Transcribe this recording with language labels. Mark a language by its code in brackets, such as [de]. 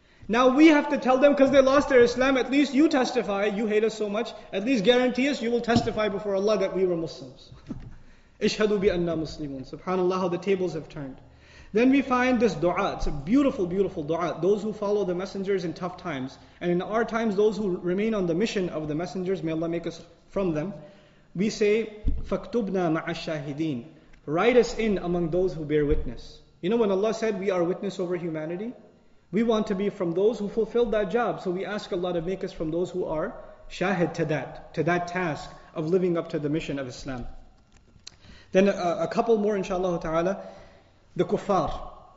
[en] Now we have to tell them, because they lost their Islam, at least you testify, you hate us so much, at least guarantee us you will testify before Allah that we were Muslims. [ar] Ishhadu bi anna muslimun. [en] SubhanAllah, how the tables have turned. Then we find this dua. It's a beautiful, beautiful dua. Those who follow the messengers in tough times. And in our times, those who remain on the mission of the messengers, may Allah make us from them. We say, [ar] فَاكْتُبْنَا مَعَ الشَّاهِدِينَ. [en] Write us in among those who bear witness. You know when Allah said, we are witness over humanity? We want to be from those who fulfilled that job. So we ask Allah to make us from those who are shahid to that task of living up to the mission of Islam. Then a couple more, inshallah ta'ala. The kuffar.